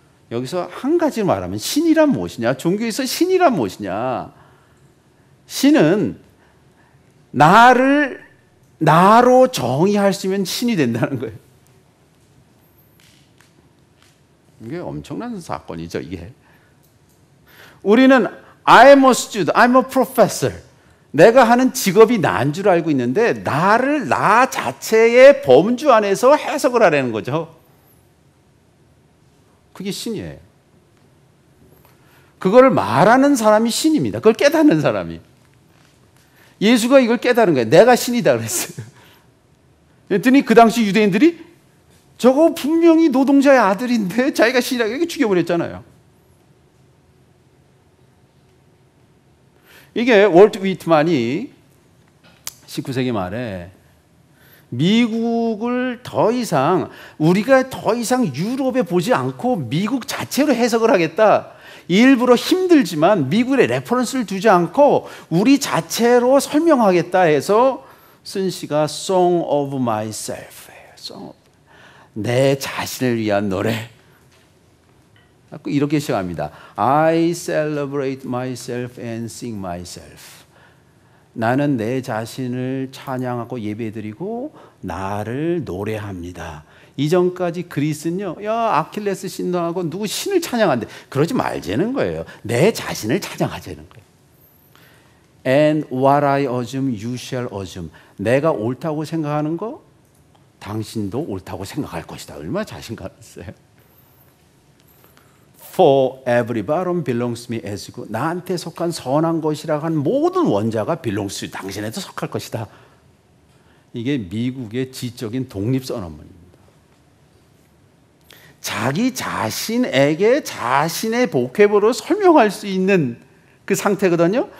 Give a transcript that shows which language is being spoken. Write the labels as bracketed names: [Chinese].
[Korean] 여기서 한 가지 말하면 신이란 무엇이냐? 종교에서 신이란 무엇이냐? 신은 나를 나로 정의할 수 있는 신이 된다는 거예요. 이게 엄청난 사건이죠, 이게. 우리는 [English] I'm a student, I'm a professor. [Korean] 내가 하는 직업이 나인 줄 알고 있는데 나를 나 자체의 범주 안에서 해석을 하라는 거죠. 그게 신이에요. 그걸 말하는 사람이 신입니다. 그걸 깨닫는 사람이. 예수가 이걸 깨달은 거예요. 내가 신이다 그랬어요. 그랬더니 그 당시 유대인들이 저거 분명히 노동자의 아들인데 자기가 신이라고 이렇게 죽여버렸잖아요. 이게 월트 위트만이 19세기 말에 미국을 더 이상 우리가 더 이상 유럽에 보지 않고 미국 자체로 해석을 하겠다. 일부러 힘들지만 미국의 레퍼런스를 두지 않고 우리 자체로 설명하겠다 해서 쓴 시가 Song of Myself예요. 내 자신을 위한 노래. 이렇게 시작합니다. [English] I celebrate myself and sing myself. [Korean] 나는 내 자신을 찬양하고 예배드리고 나를 노래합니다. 이전까지 그리스는요, 야 아킬레스 신도하고 누구 신을 찬양한대. 그러지 말자는 거예요. 내 자신을 찬양하자는 거예요. [English] And what I assume, you shall assume. [Korean] 내가 옳다고 생각하는 거, 당신도 옳다고 생각할 것이다. 얼마나 자신감 있어요. [English] For every bottom belongs to me as good. [Korean] 나한테 속한 선한 것이라고 한 모든 원자가 [English] belongs to [Korean] 당신에도 속할 것이다. 이게 미국의 지적인 독립선언문입니다. 자기 자신에게 자신의 복합으로 설명할 수 있는 그 상태거든요.